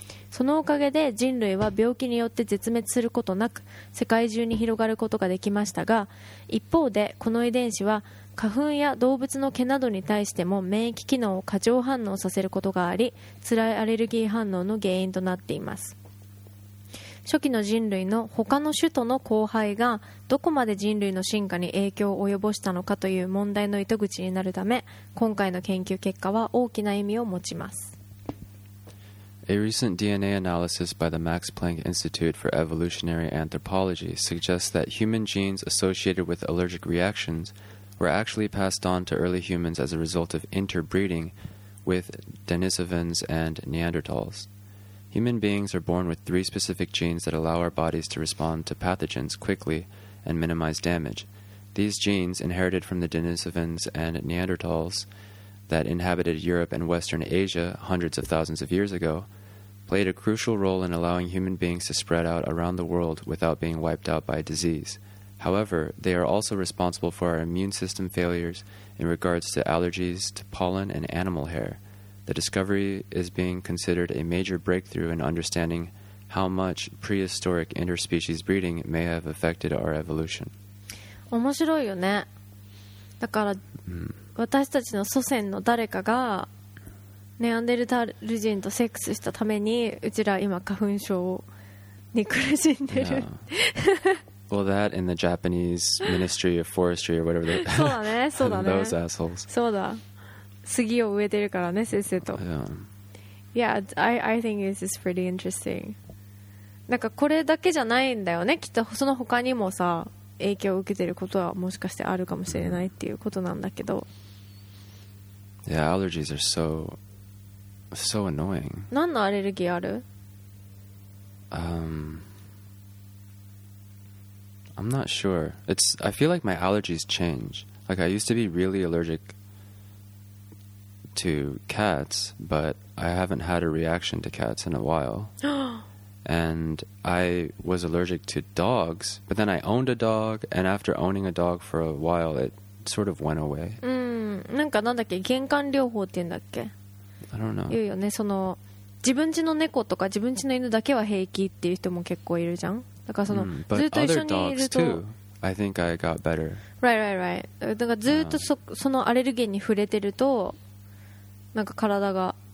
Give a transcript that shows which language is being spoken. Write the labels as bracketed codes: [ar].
[ja] そのおかげで人類は病気によって絶滅することなく世界中に広がることができましたが、一方でこの遺伝子は花粉や動物の毛などに対しても免疫機能を過剰反応させることがあり、辛いアレルギー反応の原因となっています。初期の人類の他の種との交配がどこまで人類の進化に影響を及ぼしたのかという問題の糸口になるため、今回の研究結果は大きな意味を持ちます。 [en] A recent DNA analysis by the Max Planck Institute for Evolutionary Anthropology suggests that human genes associated with allergic reactions were actually passed on to early humans as a result of interbreeding with Denisovans and Neanderthals. Human beings are born with three specific genes that allow our bodies to respond to pathogens quickly and minimize damage. These genes, inherited from the Denisovans and Neanderthals,that inhabited Europe and Western Asia hundreds of thousands of years ago, played a crucial role in allowing human beings to spread out around the world without being wiped out by disease. However, they are also responsible for our immune system failures in regards to allergies to pollen and animal hair. The discovery is being considered a major breakthrough in understanding how much prehistoric interspecies breeding may have affected our evolution. [ja] 面白いよね。だから、私たちの祖先の誰かがネアンデルタール人とセックスしたためにうちら今花粉症に苦しんでる、 [en] yeah. Well, that in the Japanese Ministry of Forestry or whatever they... [ja] そうだね、そうだね [en] Those assholes. [ja] そうだ、杉を植えてるからね、先生と。 [en] Yeah, I think this is pretty interesting. [ja] なんかこれだけじゃないんだよね、きっとその他にもさ影響を受けてることはもしかしてあるかもしれないっていうことなんだけど。 [en] Yeah, allergies are so annoying. [ja] 何のアレルギーある？ [en] I'm not sure. I feel like my allergies change. Like I used to be really allergic to cats, but I haven't had a reaction to cats in a while. And I was allergic to dogs, but then I owned a dog, and after owning a dog for a while, it sort of went away. [ja] なんかなんだっけ、玄関療法って言うんだっけ。 [en] I don't know. [ja] 言うよね、その自分家の猫とか自分家の犬だけは平気っていう人も結構いるじゃん。だからその、ずっと一緒にいると。 [en] But other dogs too. I think I got better. Right, right, right. [ja] だからずっとそのアレルゲンに触れてると、なんか体が